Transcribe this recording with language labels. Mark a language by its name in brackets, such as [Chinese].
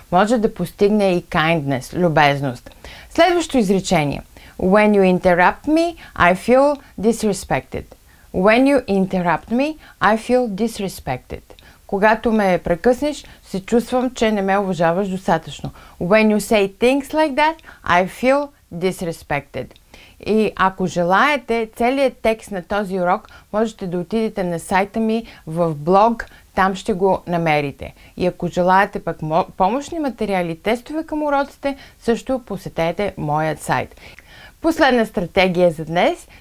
[Bulgarian] Може да постигне и kindness, любезност. Следващото изречение. [English] When you interrupt me, I feel disrespected. When you interrupt me, I feel disrespected. [Bulgarian] Когато ме прекъснеш, се чувствам, че не ме уважаваш достатъчно. [English] When you say things like that, I feel disrespected. [Bulgarian] И ако желаете, целият текст на този урок можете да отидете на сайта ми в блог. Там ще го намерите. И ако желаете пък помощни материали, тестове към уроците, също посетете моят сайт. Последна стратегия за днес.